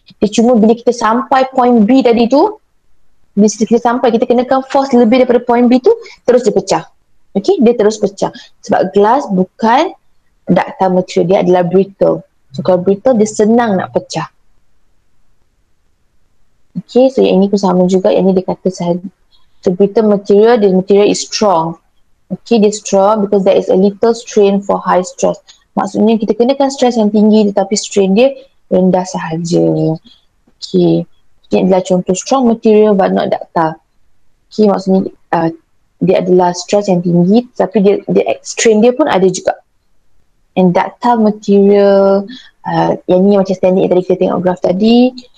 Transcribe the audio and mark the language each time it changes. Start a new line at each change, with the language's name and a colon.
Malay: Dia cuma bila kita sampai point B tadi tu, bila kita sampai kita kenakan force lebih daripada point B tu, terus dia pecah. Okay, dia terus pecah. Sebab glass bukan ductile material, dia adalah brittle. So kalau brittle dia senang nak pecah. Okay, so yang ini pun sama juga. Yang ini dia kata sahaja.
English: So brittle material, the material is strong. Okay, dia strong because there is a little strain for high stress.
Malay: Maksudnya kita kenakan stress yang tinggi tetapi strain dia rendah sahaja.
English: Okay,
Malay: ini adalah contoh
English: strong material but not ductile.
Malay: Okay, maksudnya dia adalah stress yang tinggi tapi dia strain dia pun ada juga.
English: And ductile material,
Malay: yang ni macam standing yang tadi kita tengok graph tadi.